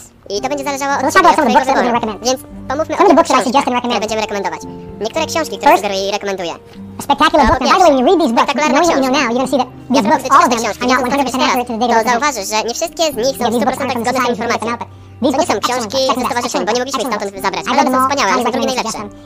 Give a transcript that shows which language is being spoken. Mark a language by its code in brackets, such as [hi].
[pl] I to będzie zależało od ciebie, od twojego wyboru. Więc pomówmy o tych książkach, które będziemy rekomendować. Niektóre książki, które sugeruję i rekomenduję. [en] Spectacular book. By the way, when you read these books, knowing what you know now, you're going to see that these books, all of them, are not 100% accurate to the data. [pl] Zauważysz, że nie wszystkie z nich są 100% zgodne z informacją. To nie są książki ze stowarzyszeń, bo nie mogliśmy ich stamtąd zabrać, ale są wspaniałe, ale są drugie najlepsze.